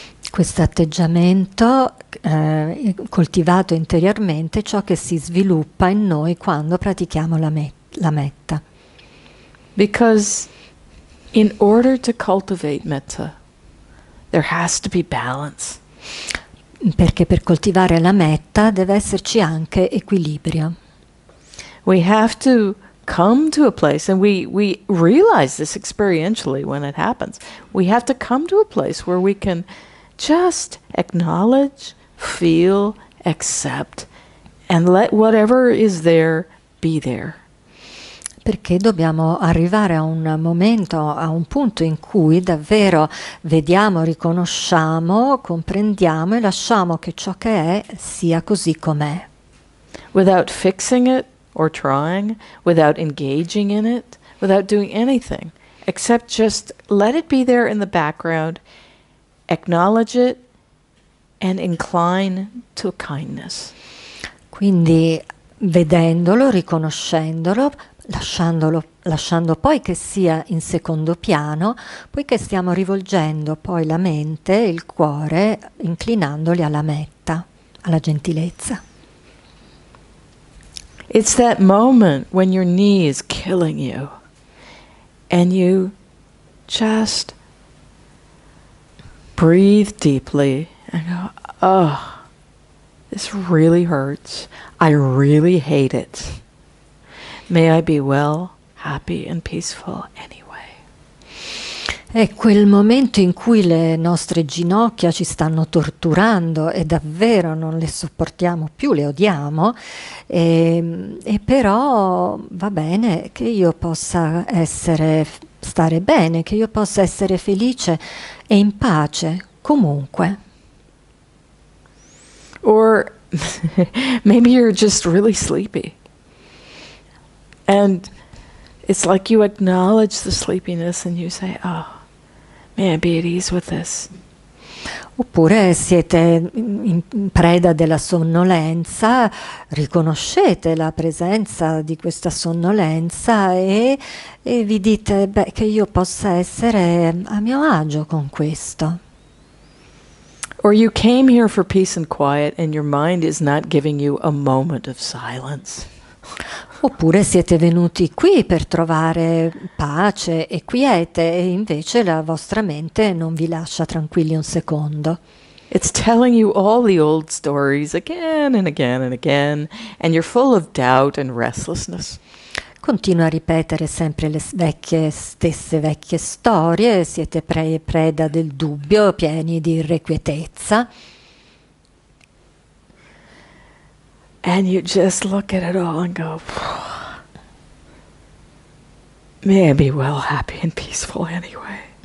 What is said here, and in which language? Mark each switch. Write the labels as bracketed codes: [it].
[it] Questo atteggiamento coltivato interiormente ciò che si sviluppa in noi quando pratichiamo la metta. [en] Because in order to cultivate metta, there has to be balance. [it] Perché per coltivare la metta deve esserci anche equilibrio. [en] We have to come to a place, and we realize this experientially when it happens. We have to come to a place where we can just acknowledge, feel, accept, and let whatever is there be there. [it] Perché dobbiamo arrivare a un momento, a un punto in cui davvero vediamo, riconosciamo, comprendiamo e lasciamo che ciò che è sia così com'è. [en] Without fixing it or trying, without engaging in it, without doing anything, except just let it be there in the background. Acknowledge it and incline to kindness. [it] Quindi vedendolo, riconoscendolo, lasciando poi che sia in secondo piano, poiché stiamo rivolgendo poi la mente e il cuore, inclinandoli alla metta, alla gentilezza. [en] It's that moment when your knee is killing you and you just breathe deeply and go, "Oh, this really hurts. I really hate it. May I be well, happy and peaceful anyway." [it] È quel momento in cui le nostre ginocchia ci stanno torturando e davvero non le sopportiamo più, le odiamo, e però va bene che io possa stare bene, che io possa essere felice e in pace comunque. [en] Or maybe you're just really sleepy. And it's like you acknowledge the sleepiness and you say, oh, may I be at ease with this. [it] Oppure siete in preda della sonnolenza, riconoscete la presenza di questa sonnolenza e vi dite, beh, che io possa essere a mio agio con questo. [en] Or you came here for peace and quiet and your mind is not giving you a moment of silence. [it] Oppure siete venuti qui per trovare pace e quiete e invece la vostra mente non vi lascia tranquilli un secondo. [en] It's telling you all the old stories again and again and again, and you're full of doubt and restlessness. [it] Continua a ripetere sempre le stesse vecchie storie, siete preda del dubbio, pieni di irrequietezza. [en] And you just look at it all and go, may I be well, happy and peaceful anyway.